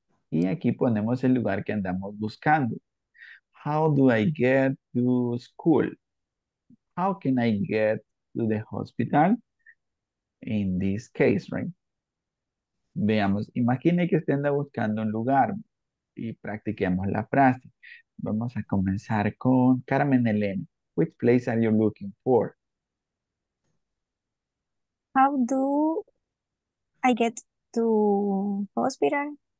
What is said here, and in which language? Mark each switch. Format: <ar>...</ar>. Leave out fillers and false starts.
<es>Y aquí ponemos el lugar que andamos buscando.</es> <en>How do I get to school? How can I get to the hospital in this case, right?</en> <es>Veamos, imagine que usted anda buscando un lugar y practiquemos la frase. Vamos a comenzar con Carmen Elena.</es> <en>Which place are you looking for? How do I get to hospital?</en>